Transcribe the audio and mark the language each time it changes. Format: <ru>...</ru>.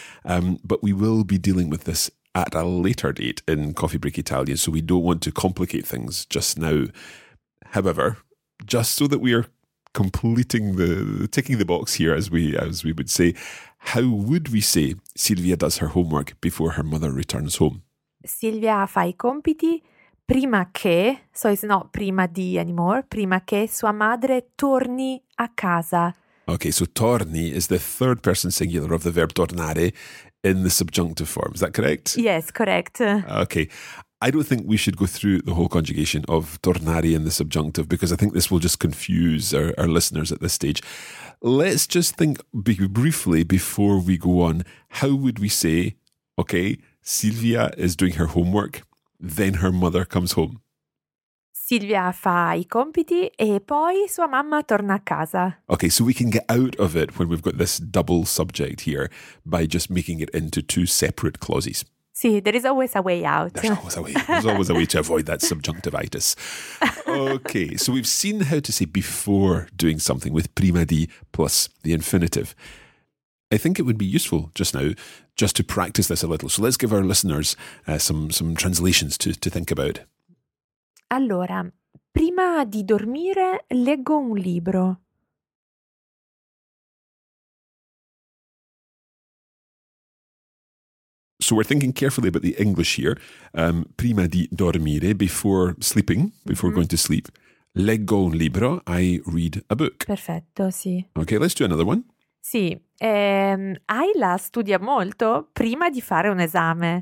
<en>But we will be dealing with this at a later date in Coffee Break Italian, so we don't want to complicate things just now. However, just so that we are completing the ticking the box here, as we would say, how would we say Silvia does her homework before her mother returns home?</en> <it>Silvia fa i compiti prima che,</it> <en>so it's not prima di anymore,</en> <it>prima che sua madre torni a casa.</it> <en>Okay, so torni is the third person singular of the verb tornare in the subjunctive form. Is that correct? Yes, correct. Okay. I don't think we should go through the whole conjugation of tornare in the subjunctive, because I think this will just confuse our listeners at this stage. Let's just think briefly before we go on. How would we say, okay, Silvia is doing her homework, then her mother comes home?</en> <it>Silvia fa i compiti e poi sua mamma torna a casa.</it> <en>Okay, so we can get out of it when we've got this double subject here by just making it into two separate clauses. Sì, there is always a way out. There's always a way to avoid that subjunctivitis. Okay, so we've seen how to say before doing something with prima di plus the infinitive. I think it would be useful just now just to practice this a little. So let's give our listeners some translations to think about.</en> <it>Allora, prima di dormire leggo un libro.</it> <en>So we're thinking carefully about the English here.</en> <it>Prima di dormire,</it> <en>before sleeping, before going to sleep.</en> <it>Leggo un libro,</it> <en>I read a book.</en> <it>Perfetto, sì.</it> <en>Okay, let's do another one.</en> <it>Sì, Ayla studia molto prima di fare un esame.</it>